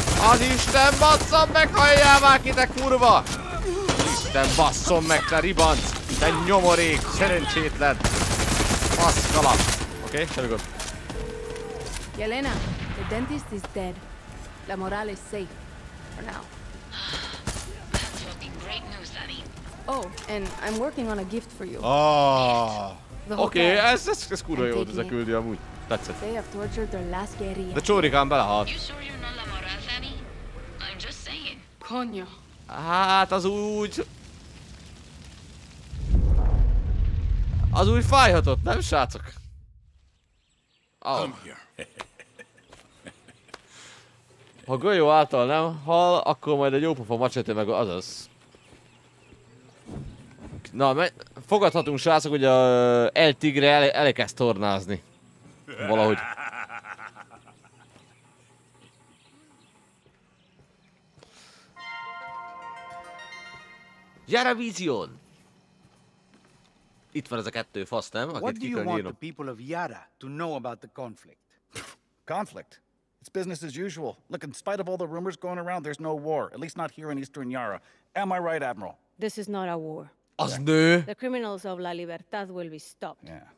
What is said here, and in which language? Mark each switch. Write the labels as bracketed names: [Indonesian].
[Hungarian] Az Isten basszom meg, halljál már ki, te kurva! Isten basszom meg, te ribanc! Te nyomorék, szerencsétlen! Faszkalap! Oké, semmi gond. [English] Jelena, the dentist is dead. La Moral is safe. For now. That's fucking great news, Danny. Oh, and I'm working on a gift for you. Oh. [Hungarian] Oké, okay, ez kurva jó, ez a küldi amúgy. Tetszett. [English] They have tortured their last guerrilla. [Hungarian] De csórikám belehalt. [English] You sure you're not La Moral, Danny? I'm just saying. Konyo. [Hungarian] Hát, az úgy... Az új fájhatott, nem srácok? [English] Oh. Come here. [Hungarian] Ha golyó által nem hal, akkor majd egy jópofa macsete meg azaz. Na, fogadhatunk srácok, hogy a El Tigre elkezd tornázni. Valahogy. Gyere Vizion! Itt van ez a kettő fasz, nem? Akit [English] what do you want the people of Yara to know about the conflict? Conflict? It's business as usual. Look, in spite of all the rumors going around, there's no war. At least not here in Eastern Yara. Am I right, Admiral? This is not a war. [Hungarian] Az nő! [English] The criminals of La Libertad will be stopped. Yeah.